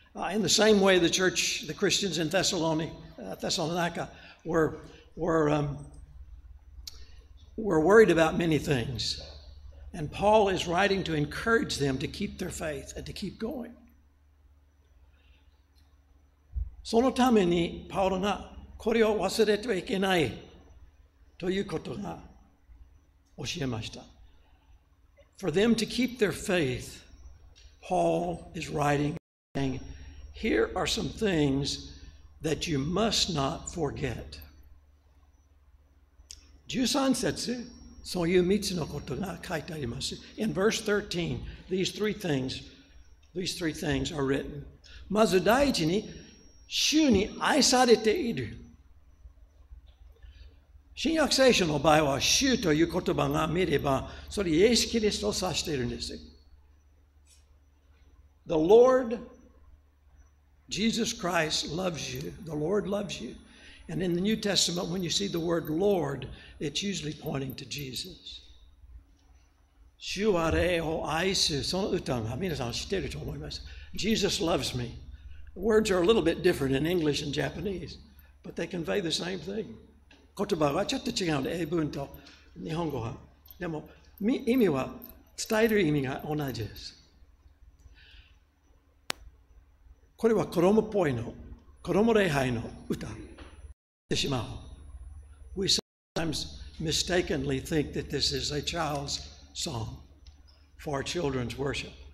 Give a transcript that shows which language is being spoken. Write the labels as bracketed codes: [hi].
[en] In the same way, the church, the Christians in Thessalonica were worried about many things, and Paul is writing to encourage them to keep their faith and to keep going. [ja] そのためにパウロがこれを忘れてはいけないということが教えました。 [en] For them to keep their faith, Paul is writing saying, here are some things that you must not forget. [ja] 13節、そういう3つのことが書いてあります。 [en] In verse 13, these three things are written. [ja] まず第一に、主に愛されている。新約聖書の場合は、主という言葉が見れば、それイエス・キリストを指しているんです。 [en] The Lord Jesus Christ loves you. The Lord loves you. And in the New Testament, when you see the word Lord, it's usually pointing to Jesus. [ja] 主は霊を愛す。その歌が皆さん知っていると思います。 [en] Jesus loves me. The words are a little bit different in English and Japanese, but they convey the same thing. [ja] 言葉はちょっと違うので、英文と日本語は。でも、意味は、伝える意味が同じです。これは子供っぽいの、子供礼拝の歌。ってしまう。 [en] We sometimes mistakenly think that this is a child's song for children's worship.